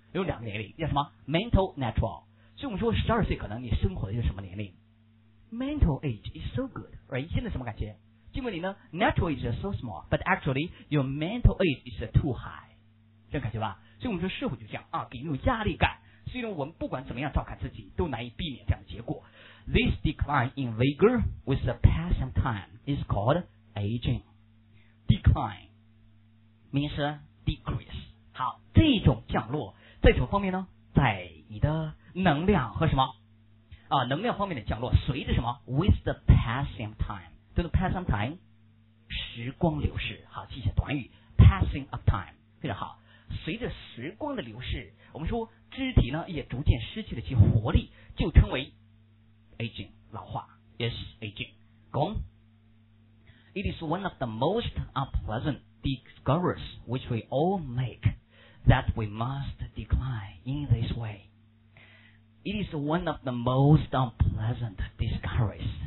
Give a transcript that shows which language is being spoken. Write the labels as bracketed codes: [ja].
[zh] 有两个年龄，叫什么 ？Mental natural。所以我们说，12岁可能你生活的就是什么年龄 ？ [en] Mental age is so good， right？ [zh] 现在什么感觉？尽管你呢 [en] ，natural age is so small， but actually your mental age is too high， 这种感觉吧。 [zh] 所以我们说，社会就这样啊，给你有压力感。所以呢，我们不管怎么样照看自己，都难以避免这样的结果。 [en] This decline in vigor with the passing of time is called aging。 [zh] Decline， 名词 decrease。好，这种降落。在什么方面呢？在你的能量和什么啊？能量方面的降落，随着什么 ？ [en] With the passing time， [zh] 就是 passing time， 时光流逝。好，记下短语 passing of time， 非常好。随着时光的流逝，我们说肢体呢也逐渐失去了其活力，就称为 aging， 老化。 [en] Yes， aging。 Go on。 It is one of the most unpleasant discoveries which we all make. That we must decline in this way. It is one of the most unpleasant discoveries.